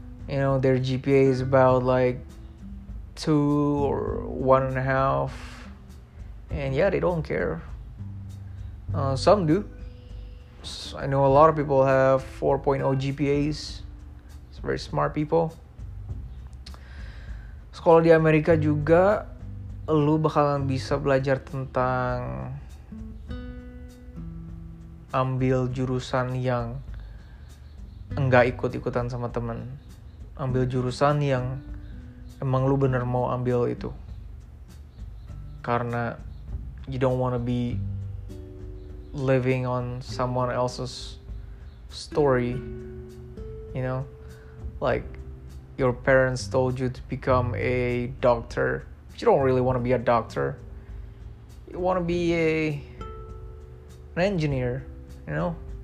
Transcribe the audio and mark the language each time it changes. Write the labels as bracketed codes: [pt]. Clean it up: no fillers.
[en] You know, their GPA is about like 2 or 1.5, and yeah, they don't care. Some do. So I know a lot of people have 4.0 GPAs. It's very smart people. [id] Sekolah di Amerika juga, lu bakalan bisa belajar tentang ambil jurusan yang enggak ikut-ikutan sama temen. Ambil jurusan yang emang lu bener mau ambil itu. [en] Karena you don't wanna be living on someone else's story, you know? Like, your parents told you to become a doctor. You don't really wanna be a doctor. You wanna be an engineer, you know?